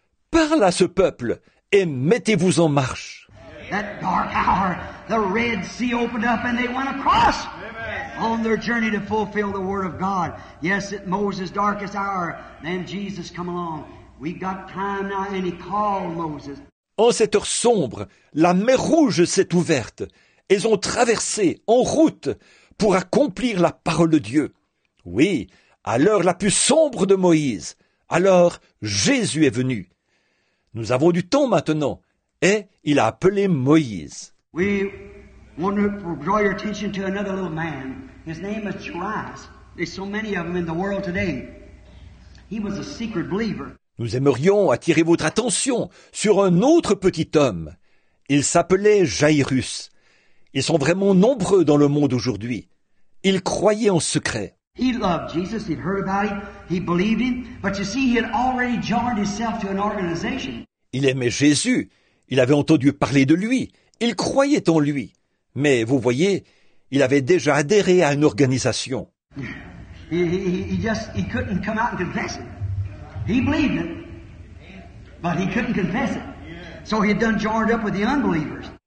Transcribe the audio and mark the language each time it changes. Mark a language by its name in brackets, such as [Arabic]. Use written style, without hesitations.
[French] Parle à ce peuple et mettez-vous en marche. [English] That dark hour, the Red Sea opened up and they went across. Amen. On their journey to fulfill the word of God. Yes, at Moses' darkest hour, then Jesus come along. We've got time now and he called Moses. [French] En cette heure sombre, la mer Rouge s'est ouverte. Ils ont traversé en route pour accomplir la parole de Dieu. Oui, à l'heure la plus sombre de Moïse, alors Jésus est venu. Nous avons du temps maintenant et il a appelé Moïse. [English] We want to draw your attention to another little man. His name is Jairus. There's so many of them in the world today. He was a secret believer. [French] Nous aimerions attirer votre attention sur un autre petit homme. Il s'appelait Jaïrus. Ils sont vraiment nombreux dans le monde aujourd'hui. Il croyait en secret. [English] He loved Jesus. He'd heard about him. He believed him. But you see, he had already joined himself to an organization. [French] Il aimait Jésus. Il avait entendu parler de lui. Il croyait en lui. Mais vous voyez, il avait déjà adhéré à une organisation. [English] He couldn't come out and confess it. He believed it, but he couldn't confess it. So he had done joined up with the unbelievers.